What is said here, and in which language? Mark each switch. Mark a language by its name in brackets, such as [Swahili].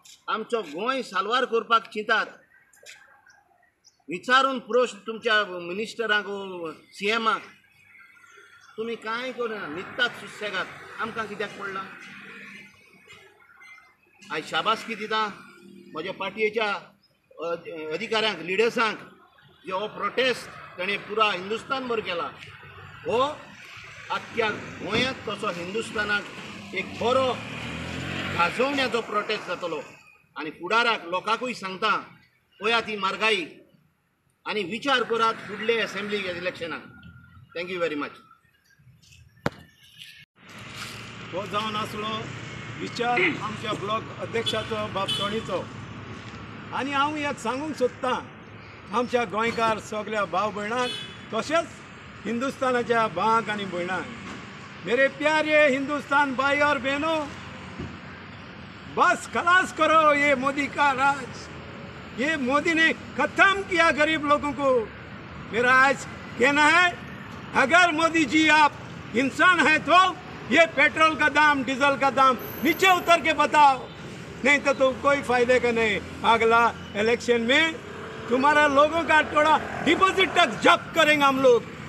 [Konkani] आमचो गोंय सालवार करपाक चिंतात. विचारून प्रश्न तुमच्या मिनिस्टरांक सीएमाक. तुमी कांय करिना, न्हिदतात सुशेगाद. आमकां कित्याक पडलां? आयज शाबासकी दिता म्हज्या पार्टयेच्या अधिकाऱ्यांक, लिडर्सांक, जे हो प्रोटेस्ट तेणें पुरो हिंदुस्तान भर केला. हो आख्ख्या गोंयांत तसो हिंदुस्तानाक एक बरो गाजोवण्याचो प्रोटेस्ट जातलो. आनी फुडाराक लोकांकूय सांगता, पळयात ही मार्गाई आनी विचार करात फुडले असेंब्ली इलेक्शनाक. [English] Thank you very much. [Konkani] हो जावन आसलो विचार आमच्या ब्लॉक अध्यक्षाचो बाबतणीचो. आनी हांव ह्यात सांगूंक सोदतां आमच्या गोंयकार सगळ्या भाव भयणांक, तशेंच हिंदुस्तानाच्या भावांक आनी भयणांक, [Hindi] मेरे प्यारे हिंदुस्तान भाई और बहनो, बस खलास करो ये मोदी का राज. ये मोदी ने खत्म किया गरीब लोगों को. मेरा आज कहना है, अगर मोदी जी आप इंसान हैं तो ये पेट्रोल का दाम, डीजल का दाम नीचे उतर के बताओ, नहीं तो तुम कोई फायदे का नहीं. अगला इलेक्शन में तुम्हारा लोगों का टोड़ा डिपॉजिट तक जब्त करेंगे हम लोग.